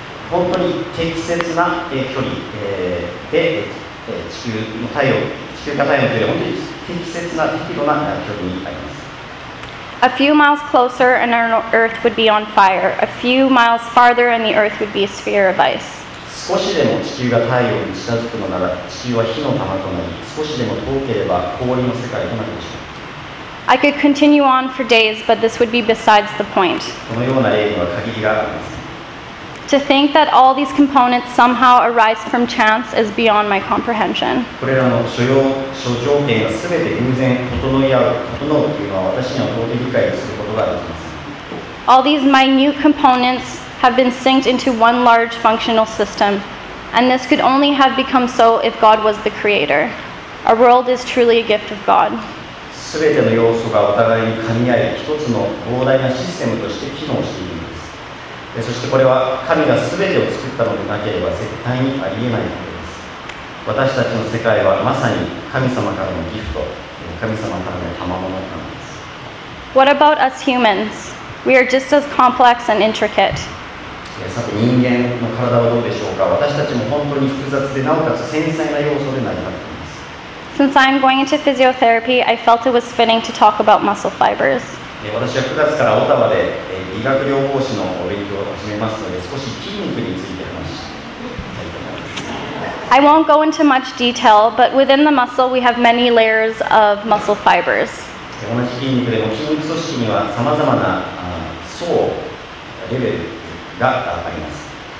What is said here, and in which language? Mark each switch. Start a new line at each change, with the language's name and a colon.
Japanese: 本当に適切な距離で地球の太陽の距離は本当に適切な適度な距離にあります。
English: A few miles closer and our Earth would be on fire. A few miles farther and the Earth would be a sphere of ice.
Japanese: 少しでも地球が太陽に近づくのなら地球は火の玉となり、少しでも遠ければ氷の世界となりました。
English: I could continue on for days, but this would be besides the point.
Japanese: このような例には限りがあります。
English: To think that all these components somehow arise from chance is beyond my comprehension.
Japanese: これらの諸条件がすべて偶然整うというのは私には到底理解することができません。
English: All these minute components have been synced into one large functional system, and this could only have become so if God was the creator. Our world is truly a gift of God.
Japanese: すべての要素がお互いに噛み合い、一つの膨大なシステムとして機能しています。そしてこれは神が全てを作ったのでなければ絶対にありえないことです。私たちの世界はまさに神様からのギフト、神様からの賜物なのです。
English: What about us humans? We are just as complex and intricate.
Japanese: さて人間の体はどうでしょうか。私たちも本当に複雑でなおかつ繊細な要素で成り立っています。
English: Since I'm going into physiotherapy, I felt it was fitting to talk about muscle fibers.
Japanese: 私は9月からオタワで理学療法士の勉強を始めますので、少し筋肉について話します。
English: I won't go into much detail, but within the muscle, we have many layers of muscle fibers.
Japanese: 同じ筋肉でも筋肉組織にはさまざまな層レベルがあります。